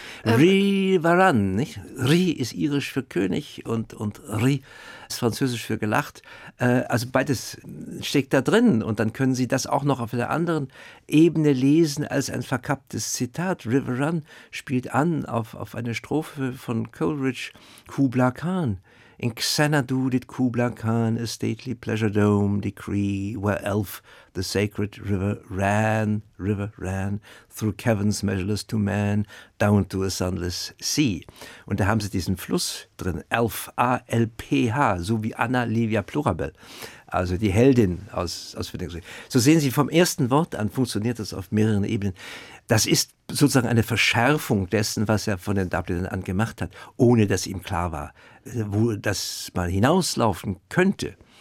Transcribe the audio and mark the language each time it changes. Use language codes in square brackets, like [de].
[de] Rivaran, nicht? Ri ist irisch für König und Ri ist französisch für gelacht. Also beides steckt da drin und dann können sie das auch noch auf der anderen Ebene lesen als ein verkapptes Zitat. River Run spielt an auf eine Strophe von Coleridge, Kubla Khan. [en] In Xanadu did Kubla Khan a stately pleasure dome decree where Elf, the sacred river ran through caverns measureless to man down to a sunless sea. [de] Und da haben sie diesen Fluss drin, Elf, A-L-P-H, so wie Anna Livia Plurabel, also die Heldin aus Finnegans Wake. So sehen Sie, vom ersten Wort an funktioniert das auf mehreren Ebenen. Das ist sozusagen eine Verschärfung dessen, was er von den Dublinern an gemacht hat, ohne dass ihm klar war, wo das mal hinauslaufen könnte.